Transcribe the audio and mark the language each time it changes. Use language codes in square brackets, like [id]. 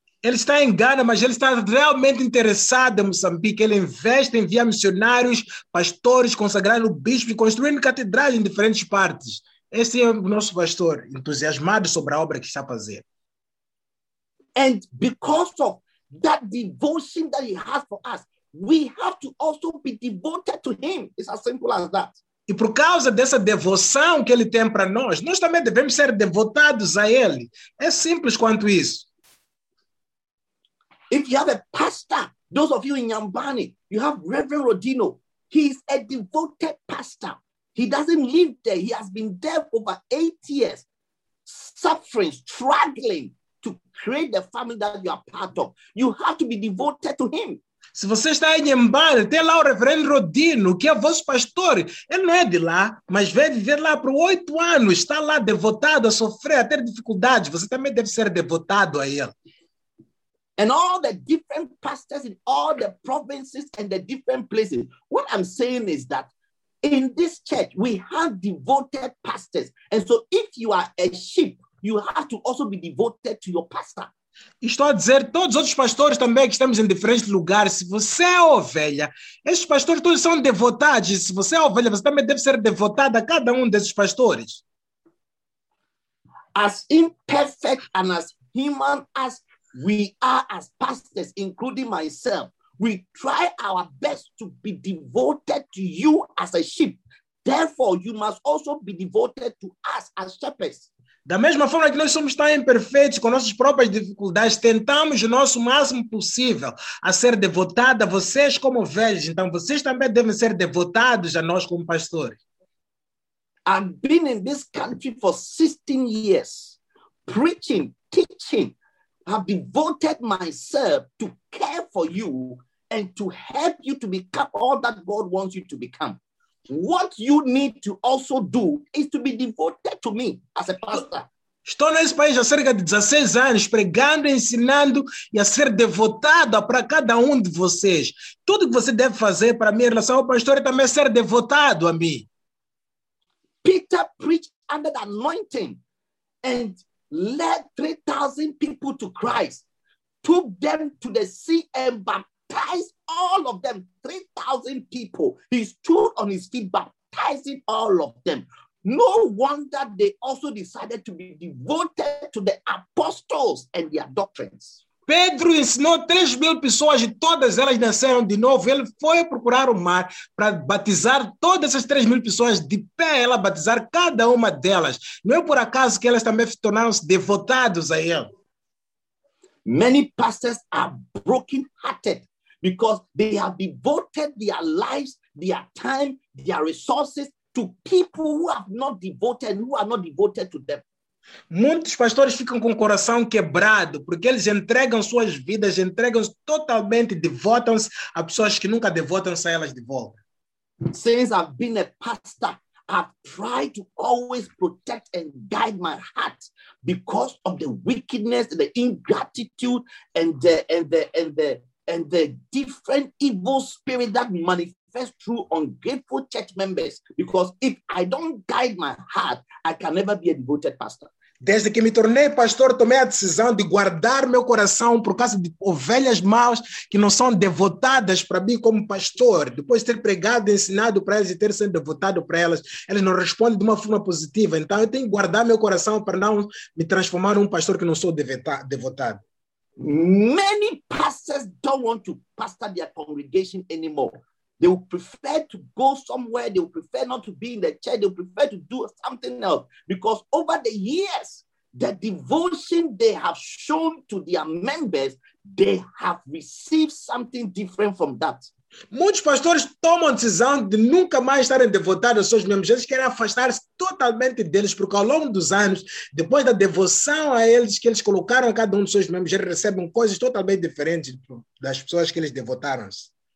[pt] Ele está em Ghana, mas ele está realmente interessado em Moçambique. Ele investe, envia missionários, pastores, consagrando bispos e construindo catedrais em diferentes partes. Esse é o nosso pastor, entusiasmado sobre a obra que está a fazer. [en] And because of that devotion that he has for us, we have to also be devoted to him. It's as simple as that. [pt] E por causa dessa devoção que ele tem para nós, nós também devemos ser devotados a ele. É simples quanto isso. [en] If you have a pastor, those of you in Nyambani, you have Reverend Rodino. He is a devoted pastor. He doesn't live there. He has been there for over 8 years, suffering, struggling to create the family that you are part of. You have to be devoted to him. [pt] Se você está em Nyambane, tem lá o Reverendo Rodino, que é vosso pastor. Ele não é de lá, mas vem viver lá por 8 anos. Está lá devotado a sofrer, a ter dificuldades. Você também deve ser devotado a ele. [en] And all the different pastors in all the provinces and the different places. What I'm saying is that in this church, we have devoted pastors. And so if you are a sheep, you have to also be devoted to your pastor. [pt] Estou a dizer, todos os outros pastores também que estamos em diferentes lugares, se você é ovelha, esses pastores todos são devotados. Se você é ovelha, você também deve ser devotado a cada desses pastores. [en] As imperfect and as human as we are as pastors, including myself, we try our best to be devoted to you as a sheep. Therefore, you must also be devoted to us as shepherds. [pt] Da mesma forma que nós somos tão imperfeitos com nossas próprias dificuldades, tentamos o nosso máximo possível a ser devotado a vocês como velhos. Então, vocês também devem ser devotados a nós como pastores. [en] I've been in this country for 16 years, preaching, teaching. I've devoted myself to care for you and to help you to become all that God wants you to become. What you need to also do is to be devoted to me as a pastor. [pt] Estou nesse país há cerca de 16 anos, pregando, ensinando e a ser devotado para cada de vocês. Tudo que você deve fazer para mim em relação ao pastor é também ser devotado a mim. [en] Peter preached under the anointing and led 3,000 people to Christ, took them to the sea and baptized all of them, 3,000 people. He stood on his feet, baptizing all of them. No wonder they also decided to be devoted to the apostles and their doctrines. [pt] Pedro ensinou 3 mil pessoas e todas elas nasceram de novo. Ele foi procurar o mar para batizar todas essas 3 mil pessoas de pé, ela batizar cada delas. Não é por acaso que elas também tornaram-se devotados a ele. [en] Many pastors are broken-hearted because they have devoted their lives, their time, their resources to people who have not devoted, who are not devoted to them. [pt] Muitos pastores ficam com o coração quebrado porque eles entregam suas vidas, entregam-se totalmente, devotam-se a pessoas que nunca devotam-se a elas de volta. [en] Since I've been a pastor, I've tried to always protect and guide my heart because of the wickedness, the ingratitude, and the different evil spirit that manifests through ungrateful church members. Because if I don't guide my heart, I can never be a devoted pastor. [pt] Desde que me tornei pastor, tomei a decisão de guardar meu coração por causa de ovelhas maus que não são devotadas para mim como pastor. Depois de ter pregado e ensinado para elas e ter sido devotado para elas, elas não respondem de uma forma positiva. Então, eu tenho que guardar meu coração para não me transformar em um pastor que não sou devotado. [en] Many pastors don't want to pastor their congregation anymore. They will prefer to go somewhere. They will prefer not to be in the church. They will prefer to do something else. Because over the years, the devotion they have shown to their members, they have received something different from that. [pt] Muitos pastores tomam decisão de nunca mais estarem devotados aos seus membros. Eles querem afastar-se totalmente deles, porque ao longo dos anos, depois da devoção a eles que eles colocaram a cada um dos seus membros, eles recebem coisas totalmente diferentes das pessoas que eles devotaram-se.